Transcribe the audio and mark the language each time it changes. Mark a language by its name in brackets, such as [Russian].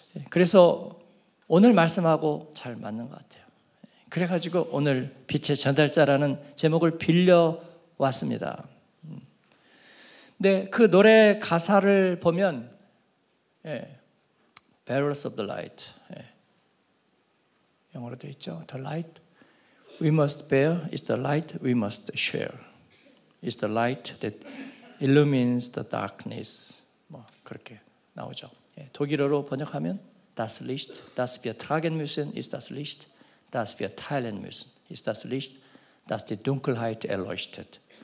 [Korean] 그래서 오늘 말씀하고 잘 맞는 것 같아요. 그래가지고 오늘 빛의 전달자라는 제목을 빌려왔습니다. 근데 그 노래 가사를 보면 예, [English] Bearers of the light [Korean] 예, 영어로 되어 있죠. [English] The light we must bear is the light we must share. It's the light that illumines the darkness. [Korean] 뭐 그렇게 나오죠. 예, 독일어로 번역하면 [German] Das Licht, das wir tragen müssen, ist das Licht, das wir teilen müssen, ist das Licht, das die Dunkelheit erleuchtet.